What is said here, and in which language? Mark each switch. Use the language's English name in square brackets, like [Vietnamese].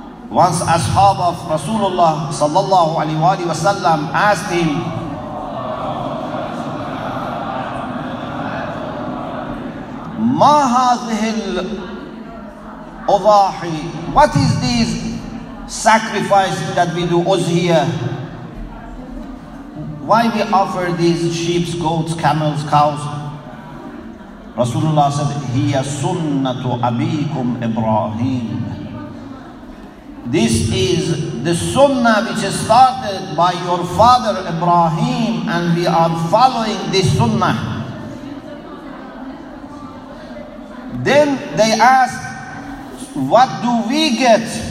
[English] Once ashab of Rasulullah sallallahu alaihi wasallam asked him, [Arabic] ما هذه الأضاحي, [English] what is this sacrifice that we do us here? Why we offer these sheep, goats, camels, cows? Rasulullah said, [Arabic] هي سنة أبيكم إبراهيم. [English] This is the sunnah which is started by your father Ibrahim, and we are following this sunnah. Then they ask, what do we get?